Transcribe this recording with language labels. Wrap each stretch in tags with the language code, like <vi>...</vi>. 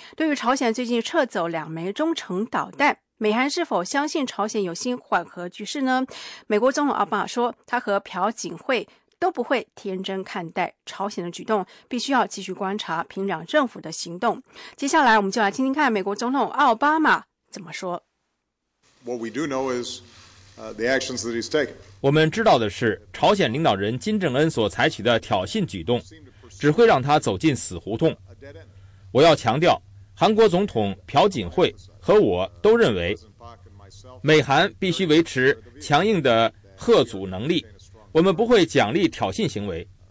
<zh>对于朝鲜最近撤走两枚中程导弹，美韩是否相信朝鲜有心缓和局势呢？美国总统奥巴马说，他和朴槿惠都不会天真看待朝鲜的举动，必须要继续观察平壤政府的行动。接下来我们就来听听看美国总统奥巴马怎么说。</zh> <en>What we do know is the actions that he's taken.</en> <zh>我们知道的是朝鲜领导人金正恩所采取的挑衅举动只会让他走进死胡同。我要强调，韩国总统朴槿惠和我都认为美韩必须维持强硬的贺阻能力，我们不会奖励挑衅行为。</zh>